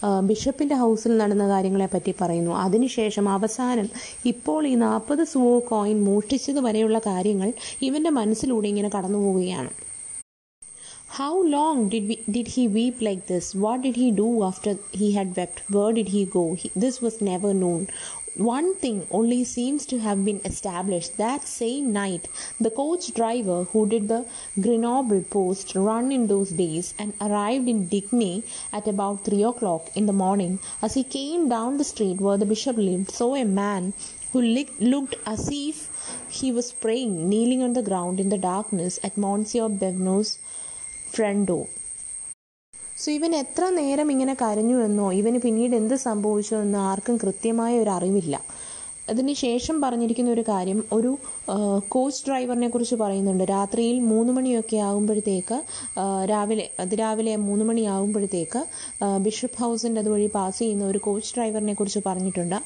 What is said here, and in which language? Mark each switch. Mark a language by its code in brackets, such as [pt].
[ml] ബിഷപ്പിൻ്റെ ഹൗസിൽ നടന്ന കാര്യങ്ങളെ പറ്റി പറയുന്നു. അതിനുശേഷം അവസാനം, ഇപ്പോൾ ഈ 40 സുവോ കോയിൻ മോഷ്ടിച്ചതുവരെയുള്ള കാര്യങ്ങൾ ഇവൻ്റെ മനസ്സിലൂടെ ഇങ്ങനെ കടന്നു പോവുകയാണ്. [en] How long did he weep like this? What did he do after he had wept? Where did he go? This was never known. One thing only seems to have been established. That same night, the coach driver who did the Grenoble post run in those days and arrived in Digne at about 3 o'clock in the morning, as he came down the street where the bishop lived, saw a man who looked as if he was praying, kneeling on the ground in the darkness at Monsieur Bevno's front door. [ml] So ഇവൻ എത്ര നേരം ഇങ്ങനെ കരഞ്ഞു എന്നോ ഇവന് പിന്നീട് എന്ത് സംഭവിച്ചോ എന്നോ ആർക്കും കൃത്യമായ ഒരു അറിവില്ല. അതിന് ശേഷം പറഞ്ഞിരിക്കുന്ന ഒരു കാര്യം, ഒരു കോച്ച് ഡ്രൈവറിനെ കുറിച്ച് പറയുന്നുണ്ട്, രാത്രിയിൽ 3 മണിയൊക്കെ ആകുമ്പോഴത്തേക്ക്, രാവിലെ അതിരാവിലെ 3 മണിയാകുമ്പോഴത്തേക്ക് ബിഷപ്പ് ഹൗസിൻ്റെ അതുവഴി പാസ് ചെയ്യുന്ന ഒരു കോച്ച് ഡ്രൈവറിനെ കുറിച്ച് പറഞ്ഞിട്ടുണ്ട്.